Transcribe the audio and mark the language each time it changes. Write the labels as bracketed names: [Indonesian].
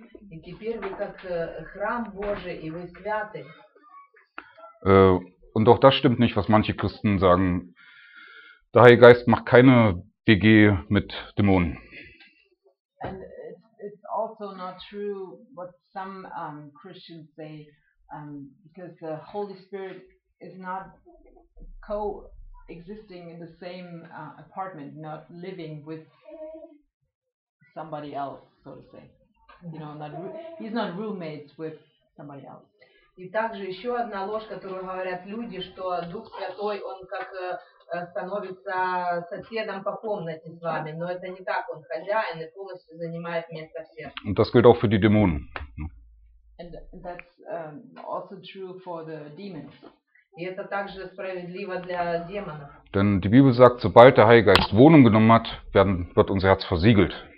[Russian] И теперь вы как храм Божий и вы святы. [German] Und auch das stimmt nicht, was manche Christen sagen. Der Heilige Geist macht keine WG mit Dämonen. [English] And it's also not true what some Christians say, because the Holy Spirit is not coexisting in the same apartment, not living with somebody else, so to say. You know, he's not roommates with somebody else. [Russian] И также еще одна ложь, которую говорят люди, что Дух Святой, он как становится соседом по комнате с вами, но это не так, он хозяин и полностью занимает место в сердце. [German] Und das gilt auch für die Dämonen. [English] And that's also true for the demons. [Russian] И это также справедливо для демонов. [German] Denn die Bibel sagt, sobald der Heilige Geist Wohnung genommen hat, wird unser Herz versiegelt.